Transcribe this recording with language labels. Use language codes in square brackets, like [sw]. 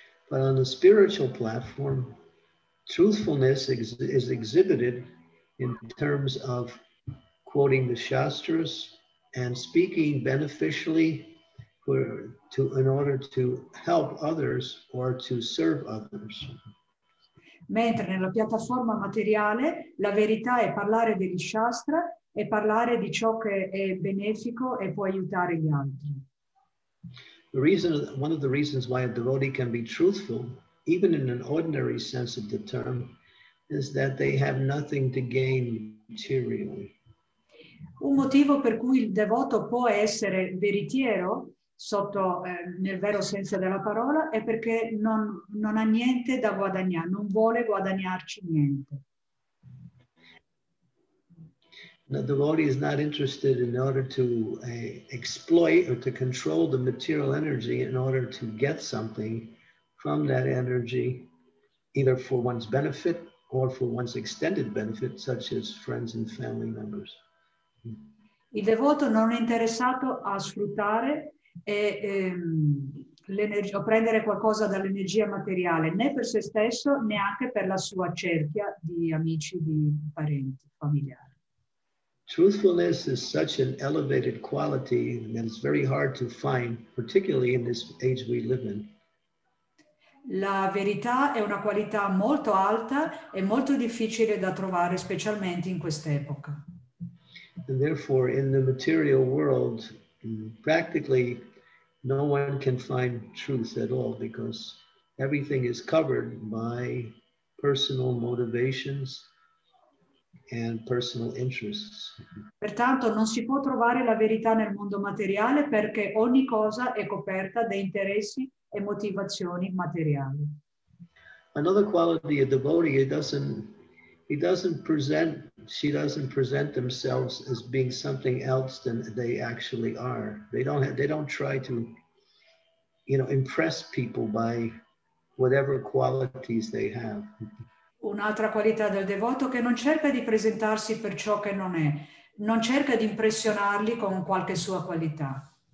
[en] But on the spiritual platform, truthfulness is exhibited in terms of quoting the Shastras and speaking beneficially in order to help others or to serve others. [it] Mentre nella piattaforma materiale la verità è parlare degli Shastra e parlare di ciò che è benefico e può aiutare gli altri. [en] One of the reasons why a devotee can be truthful, even in an ordinary sense of the term, is that they have nothing to gain materially. [it] Un motivo per cui il devoto può essere veritiero, sotto nel vero senso della parola, è perché non ha niente da guadagnare, non vuole guadagnarci niente. [en] The devotee is not interested in order to exploit or to control the material energy in order to get something from that energy, either for one's benefit or for one's extended benefit, such as friends and family members. [it] Il devoto non è interessato a sfruttare o prendere qualcosa dall'energia materiale, né per se stesso, né anche per la sua cerchia di amici, di parenti, familiari. [en] Truthfulness is such an elevated quality that it's very hard to find, particularly in this age we live in. [it] La verità è una qualità molto alta e molto difficile da trovare, specialmente in quest'epoca. [en] And therefore, in the material world, practically no one can find truth at all because everything is covered by personal motivations and personal interests. [it] Pertanto non si può trovare la verità nel mondo materiale perché ogni cosa è coperta da interessi e motivazioni materiali. [en] Another quality of devotee, she doesn't present themselves as being something else than they actually are. They don't try to impress people by whatever qualities they have. [it] Un'altra qualità del devoto che non cerca di presentarsi per ciò che non è, non cerca di impressionarli con qualche sua qualità.